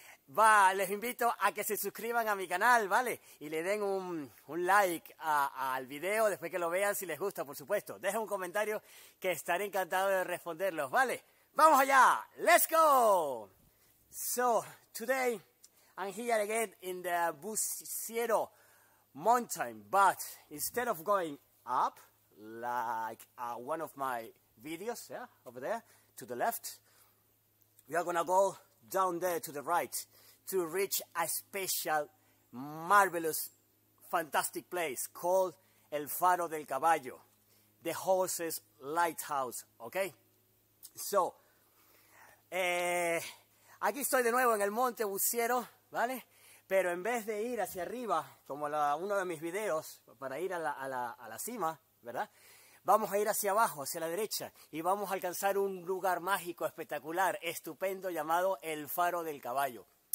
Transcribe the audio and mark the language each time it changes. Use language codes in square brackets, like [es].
[es] Va, les invito a que se suscriban a mi canal, ¿vale? Y le den un like al video después que lo vean, si les gusta, por supuesto. Dejen un comentario que estaré encantado de responderlos, ¿vale? ¡Vamos allá! [en] ¡Let's go! So, today I'm here again in the Busiero mountain, but instead of going up, like one of my videos, yeah, over there, to the left, we are gonna go down there to the right to reach a special, marvelous, fantastic place called El Faro del Caballo, the horse's lighthouse, okay? [es] So, aquí estoy de nuevo en el monte Busiero, ¿vale? Pero en vez de ir hacia arriba, como uno de mis videos, para ir a la cima, ¿verdad? Vamos a ir hacia abajo, hacia la derecha, y vamos a alcanzar un lugar mágico, espectacular, estupendo, llamado El Faro del Caballo.